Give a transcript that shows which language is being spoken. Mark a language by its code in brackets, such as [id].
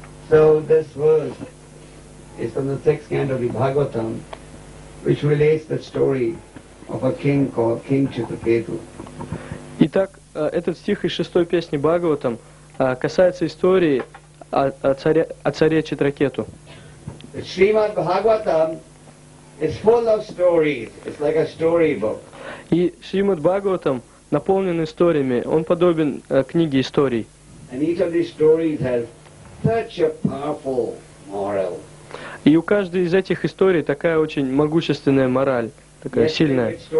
[en] So this verse is from the sixth canto of the Bhagavatam, which relates the story of a king called King Chitraketu. [ru] Итак, этот стих из шестой песни Бхагаватам касается истории о царе Читракету. [en] Shrimad Bhagavatam is full of stories. It's like a storybook. [ru] И Шримад Бхагаватам наполнен историями. Он подобен книге историй. [en] And each of these stories has such a powerful moral. [ru] И у каждой из этих историй такая очень могущественная мораль, такая сильная.